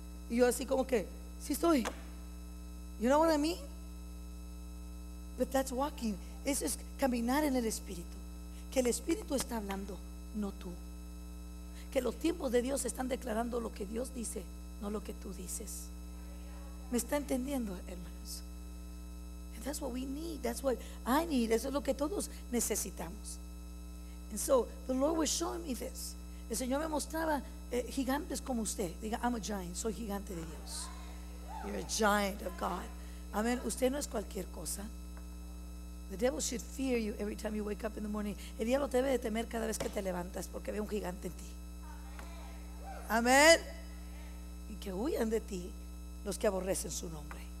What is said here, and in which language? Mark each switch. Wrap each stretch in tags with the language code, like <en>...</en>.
<es>Y yo así como que, sí estoy.</es> <en>You know what I mean? But that's walking.</en> <es>Eso es caminar en el Espíritu. Que el Espíritu está hablando, no tú. Que los tiempos de Dios están declarando lo que Dios dice, no lo que tú dices. ¿Me está entendiendo, hermanos?</es> <en>And that's what we need, that's what I need.</en> <es>Eso es lo que todos necesitamos.</es> <en>And so the Lord was showing me this.</en> <es>El Señor me mostraba gigantes como usted. Diga,</es> <en>I'm a giant,</en> <es>soy gigante de Dios.</es> <en>You're a giant of God.</en> <es>Amén, usted no es cualquier cosa.</es> <en>The devil should fear you every time you wake up in the morning.</en> <es>El diablo te debe de temer cada vez que te levantas porque ve un gigante en ti. Amén. Y que huyan de ti los que aborrecen su nombre.</es>